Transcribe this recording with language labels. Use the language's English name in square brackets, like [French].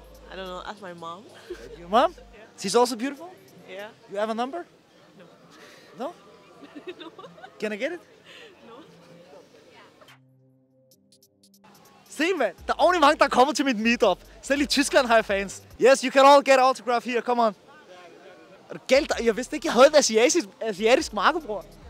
[English] I don't know, ask my mom. Your mom? Yeah. She's also beautiful? Yeah. You have a number? No. No? No. Can I get it? No. [Danish] Se, man. Der er only mange, der er kommet til mit meetup. Selv i Tyskland har jeg fans. [English] Yes, you can all get autograph here, come on. [Danish] Er du galt? Jeg vidste ikke, jeg havde et asiatisk markedbror.